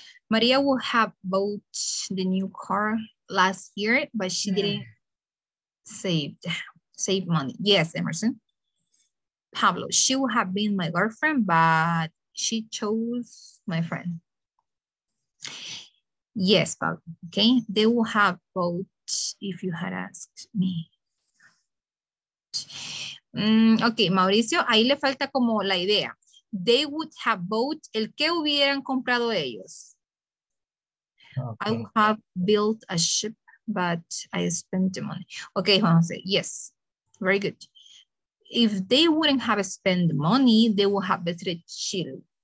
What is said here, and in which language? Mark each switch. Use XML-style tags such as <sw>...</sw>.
<en>Maria will have bought the new car last year, but she didn't save money. Yes, Emerson. Pablo, she will have been my girlfriend, but she chose my friend. Yes, Pablo. Okay. They will have bought if you had asked me.</en> <es>Okay, Mauricio, ahí le falta como la idea.</es> <en>They would have bought,</en> <es>el que hubieran comprado ellos.</es> <en>Okay. I would have built a ship, but I spent the money. Okay, Juan Jose, yes, very good. If they wouldn't have spent the money, they would have visited Chile.</en>